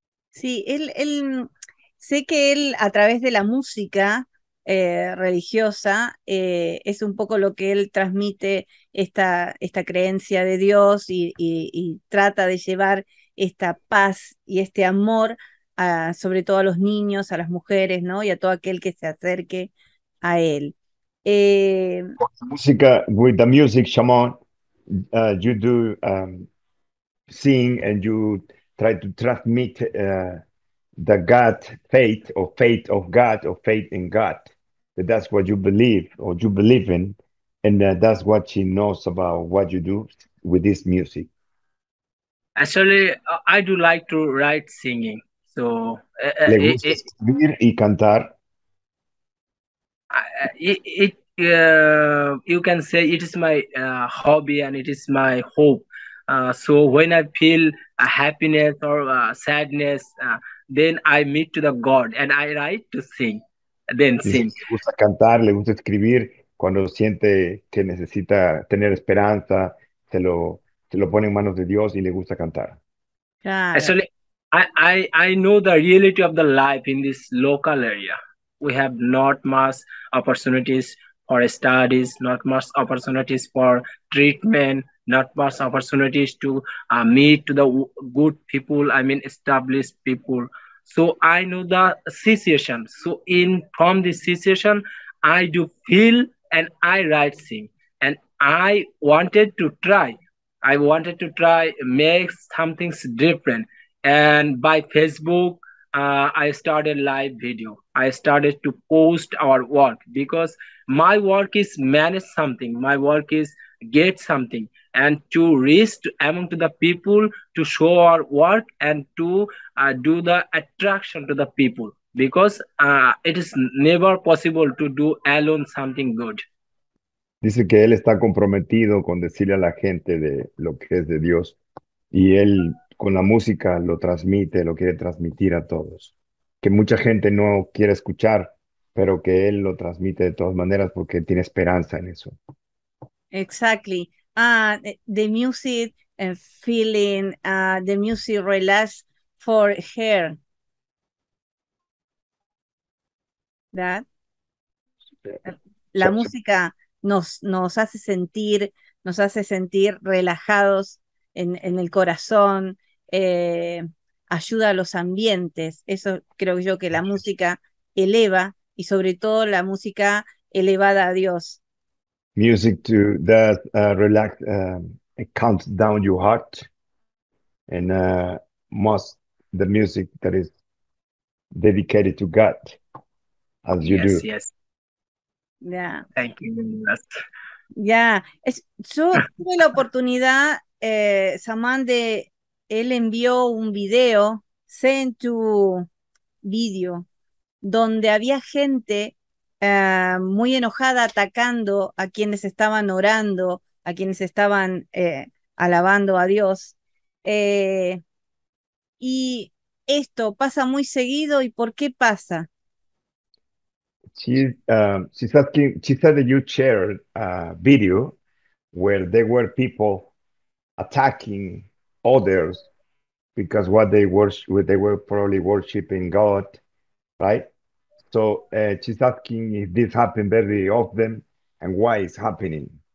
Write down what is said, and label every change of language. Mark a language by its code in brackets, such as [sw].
[es] Sí, él sé que él, a través de la música religiosa, es un poco lo que él transmite, esta creencia de Dios, y trata de llevar esta paz y este amor a, sobre todo a los niños, a las mujeres, ¿no? Y a todo aquel que se acerque a él. [en] With the music, Sumon, you do sing and you try to transmit the God faith or faith of God or faith in God. That's what you believe or you believe in, and that's what she knows about what you do with this music. Actually, I do like to write singing. So, you can say it is my hobby and it is my hope. So when I feel a happiness or a sadness, then I meet to the God and I write to sing, then sing. [es] Le gusta cantar, le gusta escribir cuando siente que necesita tener esperanza, se lo pone en manos de Dios y le gusta cantar. Claro. [en] Actually, I know the reality of the life in this local area. We have not much opportunities for studies, not much opportunities for treatment, not much opportunities to meet to the good people, I mean established people. So I know the situation. So in from this situation, I do feel and I write sing. And I wanted to try. I wanted to try make something different. And by Facebook, I started live video. I started to post our work because my work is manage something. My work is get something and to reach to, among to the people to show our work and to do the attraction to the people because it is never possible to do alone something good. [es] Dice que él está comprometido con decirle a la gente de lo que es de Dios y él con la música lo transmite, lo quiere transmitir a todos. Que mucha gente no quiere escuchar, pero que él lo transmite de todas maneras porque tiene esperanza en eso. [en] Exactly. The music and feeling, the music relax for her. That? [es] La música nos hace sentir, nos hace sentir relajados en el corazón, ayuda a los ambientes. Eso creo yo que la música eleva y sobre todo la música elevada a Dios. [en] Music to that relax it calms down your heart and most the music that is dedicated to God as you yes, do. Yes. Yeah. Thank you. Ya, yeah. [es] Yo tuve la oportunidad, Saman, de él envió un video, [en] sent to video, [es] donde había gente muy enojada atacando a quienes estaban orando, a quienes estaban alabando a Dios. Y esto pasa muy seguido, ¿y por qué pasa? [en] She said that you shared a video where there were people attacking others because what they were probably worshiping God, right? So she's asking if this happened very often and why it's happening.